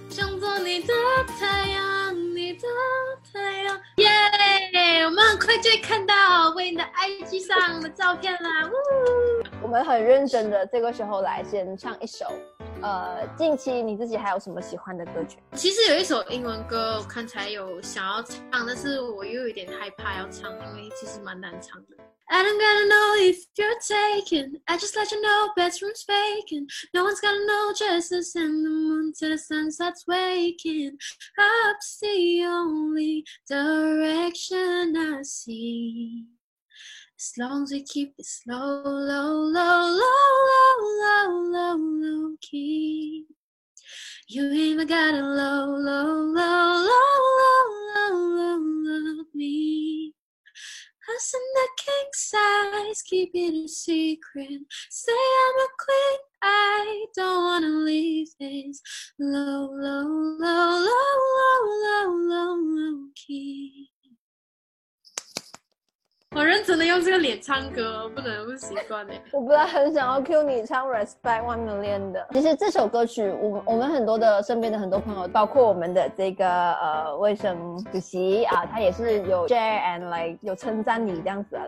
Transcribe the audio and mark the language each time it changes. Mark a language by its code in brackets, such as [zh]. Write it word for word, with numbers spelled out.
[zh] 想做你的太阳，你的太阳，耶、yeah! ！我们很快就会看到为你的 I G 上的照片啦，呜！我们很认真的这个时候来先唱一首，呃，近期你自己还有什么喜欢的歌曲？其实有一首英文歌，我刚才有想要唱，但是我又有点害怕要唱，因为其实蛮难唱的。 [en] I don't gotta know if you're taken. I just let you know bedroom's vacant. No one's gotta know just us and the moon till the sunset's waking. Up's the only direction I see. As long as we keep it slow, low, low, low, low, low, low, low key. You ain't got a low, low, low, low, low, low, low, low me. Us in the king size, keep it a secret. Say I'm a queen, I don't wanna leave this. Low, low, low, low, low, low, low, low key. [zh] 我认真的用这个脸唱歌，不能不习惯哎。我本来很想要 cue 你唱 Respect One Million 的。其实这首歌曲，我我们很多的身边的很多朋友，包括我们的这个呃卫生主席啊，他也是有 [en] share and like [zh] 有称赞你这样子啊。